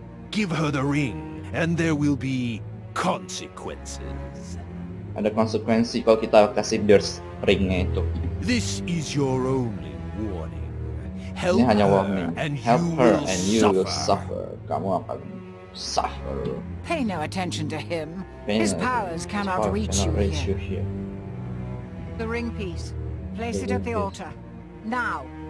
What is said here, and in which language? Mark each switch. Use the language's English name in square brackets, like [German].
[English] Give her the ring, and there will be consequences. [Indonesian] Ada konsekuensi kalau kita kasih Beers ringnya itu. [English] This is your only warning. [Indonesian] Help ini hanya warning. [English] Help her and you will suffer. [Indonesian] Kamu akan suffer. [English] Pay no attention to him. His powers cannot reach you here. The ring piece. Place it at the altar. Now.